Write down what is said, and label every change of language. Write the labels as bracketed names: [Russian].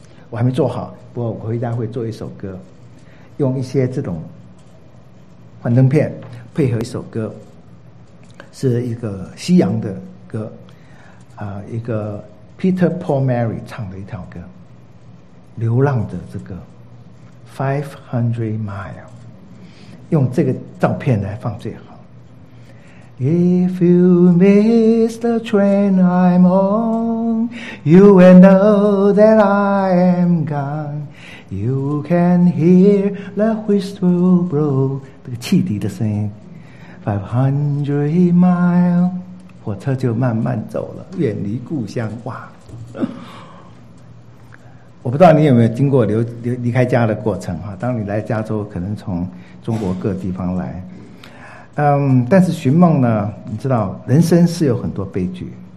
[Chinese] 我还没做好，不过我回家会做一首歌，用一些这种幻灯片配合一首歌。是一个西洋的歌，一个 Peter Paul Mary 唱的一条歌，《流浪者之歌》500 miles， 用这个照片来放最好。 [English] If you miss the train I'm on, you will know that I am gone. You can hear the whistle blow， [Chinese] 这个汽笛的声音。 500 miles， 火车就慢慢走了，远离故乡。哇！我不知道你有没有经过离开家的过程哈。当你来加州，可能从中国各地方来，但是寻梦呢，你知道人生是有很多悲剧。